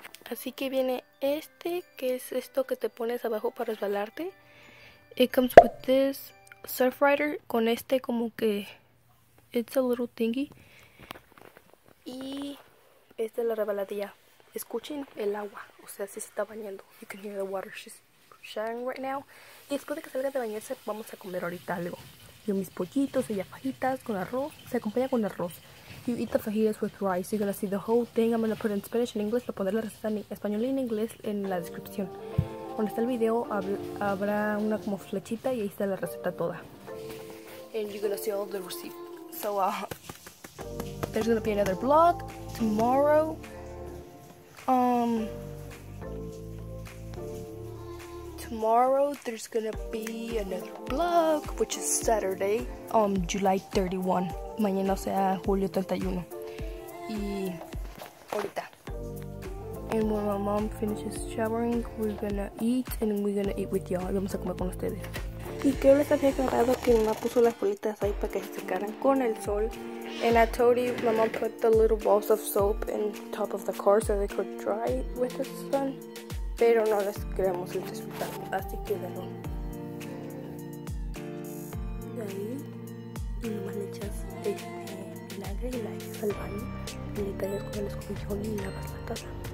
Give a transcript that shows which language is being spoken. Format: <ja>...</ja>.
<es>Así que viene que es esto que te pones abajo para resbalarte.</es> <en>It comes with this surf rider,</en> <es>con como que</es> <en>it's a little thingy.</en> <es>Y esta es la resbaladilla. Escuchen el agua, o sea, se está bañando.</es> <en>You can hear the water, she's showering right now.</en> <es>Y después de que salga de bañarse, vamos a comer ahorita algo. Yo mis pollitos, ella fajitas con arroz, se acompaña con arroz.</es> <en>You eat the fajitas with rice, you're gonna see the whole thing. I'm gonna put it in Spanish and English,</en> <es>lo pondré la receta en español y en inglés en la descripción. Cuando está el video, habrá una como flechita y ahí está la receta toda.</es> <en>And you're gonna see all the receipt. So, there's gonna be another vlog tomorrow. Tomorrow there's gonna be another vlog, which is Saturday, July 31.</en> <es>Mañana, o sea, julio 31. Y ahorita.</es> <en>And when my mom finishes showering, we're gonna eat, and we're gonna eat with y'all.</en> <es>Vamos a comer con ustedes. Y creo que les había aclarado que mi mamá puso las bolitas ahí para que se secaran con el sol.</es> <en>And I told you, my mom put the little balls of soap in top of the car so they could dry with the sun.</en> <es>Pero no les creamos el resultado, así que de ahí, y nomás le echas vinagre y la echas al baño, y le tallas con el escobillón y lavas la taza.</es>